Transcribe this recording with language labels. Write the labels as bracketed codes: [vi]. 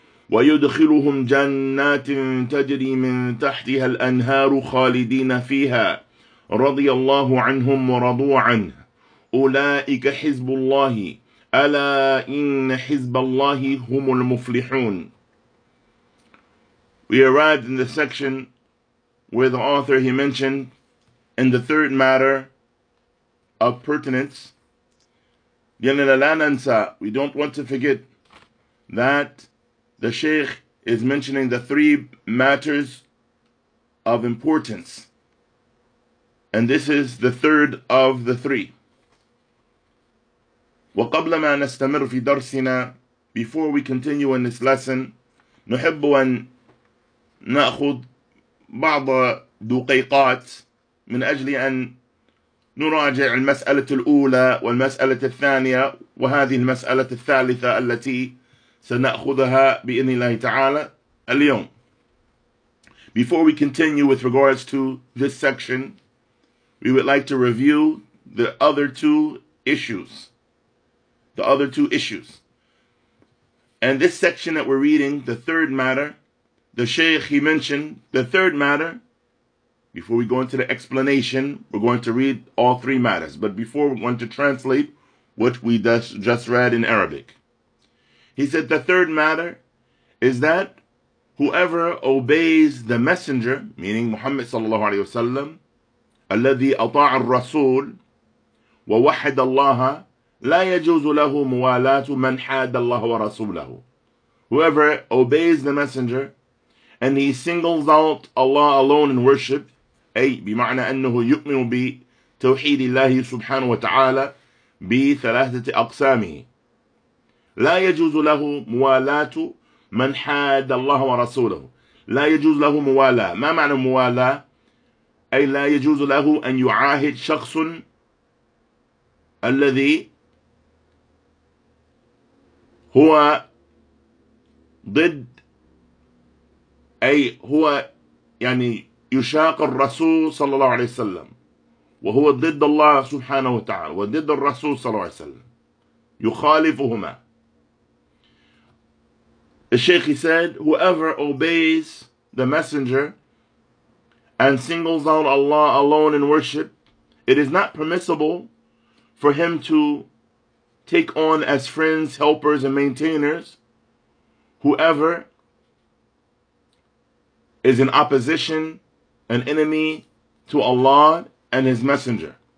[ar] ويدخلهم جنات تجري من تحتها الأنهار خالدين فيها رضي الله عنهم ورضوا عنه أولئك حزب الله ألا إن حزب الله هم المفلحون. [en] We arrived in the section where the author he mentioned in the third matter of pertinence. We don't want to forget that the Shaykh is mentioning the three matters of importance. And this is the third of the three. [ar] وَقَبْلَ مَا نَسْتَمِرُ فِي دَرْسِنَا [en] Before we continue in this lesson, [ar] نُحِبُّ أَن نَأْخُذ بَعْضَ دُقَيْقَاتِ مِنْ أَجْلِ أَن نراجع المسألة الأولى والمسألة الثانية وهذه المسألة الثالثة التي سنأخذها بإذن الله تعالى اليوم. [en] Before we continue with regards to this section, we would like to review the other two issues. The other two issues. And this section that we're reading, the third matter, the Shaykh, he mentioned the third matter. Before we go into the explanation, we're going to read all three matters. But before we're going to translate what we just read in Arabic. He said the third matter is that whoever obeys the messenger, meaning Muhammad sallallahu alayhi wa sallam, [ar] الَّذِي أَطَاعَ الرَّسُولِ وَوَحَدَ اللَّهَ لَا يَجُوزُ لَهُ مُوَالَاتُ مَنْ حَادَ اللَّهَ وَرَسُولَهُ. [en] Whoever obeys the messenger and he singles out Allah alone in worship, [ar] أي بمعنى أنه يؤمن بتوحيد الله سبحانه وتعالى بثلاثة أقسامه. لا يجوز له موالاة من حاد الله ورسوله. لا يجوز له موالاة. ما معنى موالاة؟ أي لا يجوز له أن يعاهد شخص الذي هو ضد، أي هو يعني يشاق الرسول صلى الله عليه وسلم، وهو ضد الله سبحانه وتعالى وضد الرسول صلى الله عليه وسلم، يخالفهما. [en] الشيخ said, whoever obeys the messenger and singles out Allah alone in worship, it is not permissible for him to take on as friends, helpers, and maintainers whoever is in opposition, an enemy to Allah and his messenger.